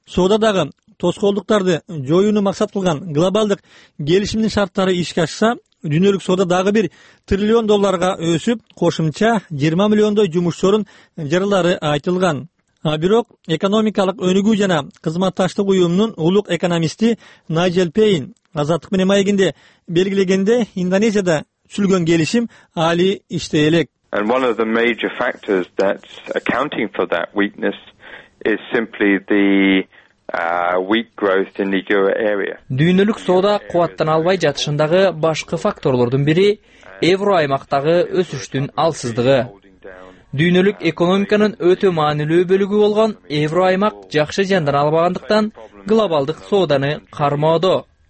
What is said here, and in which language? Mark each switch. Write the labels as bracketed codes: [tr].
[ky] Соодадагы тоскоолдуктарды жоюуну максат кылган глобалдык келишимдин шарттары ишке ашса, дүйнөлүк соода дагы бир $1 trillion өсүп, кошумча 20 миллиондой жумушчу орун жаралары айтылган. А бирок экономикалык өнүгүү жана кызматташтык уюмунун улук экономисти Найджел Пейн Азаттык менен маегинде белгилегендей, Индонезияда түзүлгөн келишим али иштей элек. [en] And one of the major factors that's accounting for that weakness is simply the weak growth in the euro area. [ky] Дүйнөлүк соода кубаттан албай жатышындагы башкы факторлордун бири евро аймактагы өсүштүн алсыздыгы. Дүйнөлүк экономиканын өтө маанилүү бөлүгү болгон евро аймак жакшы жандана албагандыктан глобалдык сооданы кармоодо.